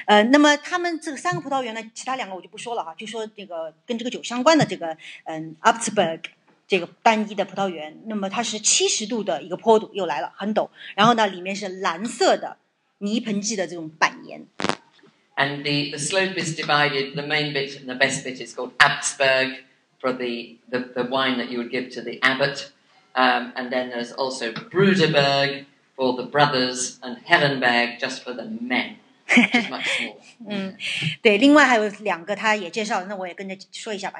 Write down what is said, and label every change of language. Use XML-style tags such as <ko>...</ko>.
<zh>那么他们这三个葡萄园呢，其他两个我就不说了哈，就说这个跟这个酒相关的这个Abtsberg 这个单一的葡萄园，那么它是70度的一个坡度又来了，很陡，然后呢里面是蓝色的泥盆纪的这种板岩。</zh> <en>And the slope is divided. The main bit and the best bit is called Abtsberg. For the wine that you would give to the abbot, and then there's also Bruderberg for the brothers and Hellenberg just for the men, which is much more.</en> <zh>对，另外还有两个他也介绍，那我也跟着说一下吧。</zh>